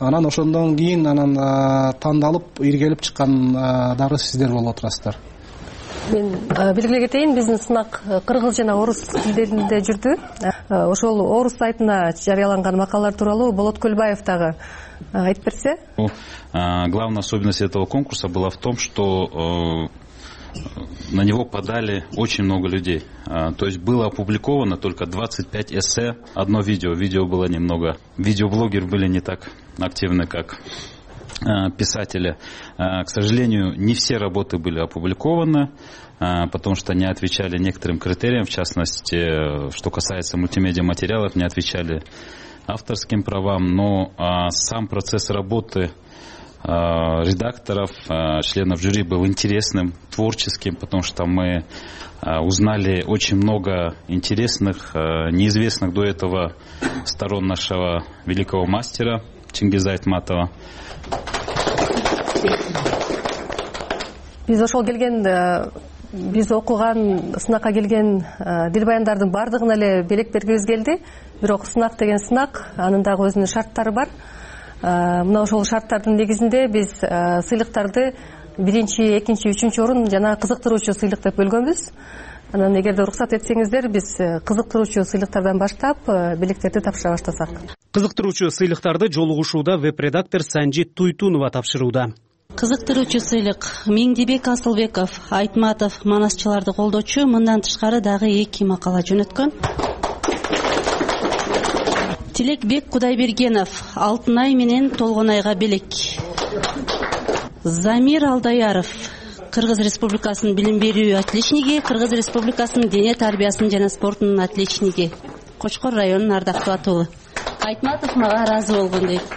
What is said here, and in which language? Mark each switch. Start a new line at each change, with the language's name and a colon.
Kyrgyz: Анан ошондон кийин анан тандалып иргелип чыккандары сиздер болуп отурасыздар. Мен белгилей кетейин, биздин сынак кыргыз жана орус тилдеринде жүрдү. Ошол орус сайтына жарыяланган макалалар тууралуу Болот Көлбаев дагы айтып берсе.
Russian: Главная особенность этого конкурса была в том, что на него подали очень много людей. То есть было опубликовано только 25 эссе, одно видео. Видео было немного. Видеоблогеры были не так активны, как писатели. К сожалению, не все работы были опубликованы, потому что не отвечали некоторым критериям, в частности, что касается мультимедиа материалов, не отвечали авторским правам, но сам процесс работы редакторов, членов жюри был интересным, творческим, потому что мы узнали очень много интересных, неизвестных до этого сторон нашего великого мастера Чингиза Айтматова.
Kyrgyz: Биз ошол келген, биз окуган, сынакка келген дилбаяндардын бардыгын эле белек бергибиз келди. Бирок сынак деген сынак, анын дагы өзүнүн шарттары бар. Мына ошол шарттардын негизинде биз сыйлыктарды биринчи, экинчи, үчүнчү орун жана кызыктыруучу сыйлык деп бөлгөнбүз. Анан эгерде уруксат этсеңиздер, биз кызыктыруучу сыйлыктардан баштап белектерди тапшыра баштасак. Кызыктыруучу сыйлыктарды жолугушууда веб-редактор Санжит Туйтунова тапшырууда. Кызыктыруучу сыйлык Миңдибек Асылбеков, Айтматов, Манасчыларды колдоочу, мындан тышкары дагы 2 макала жөнөткөн. Тилекбек Кудайбергенов, Алтынай менен Толгонайга белек. Замир Алдаяров, Кыргыз Республикасынын билим берүү отличниги, Кыргыз Республикасынын дене тарбиясынын жана спортунун отличниги. Кочкор районунун ардактуу атуулу. Айтматов мага аразы болгон дейт.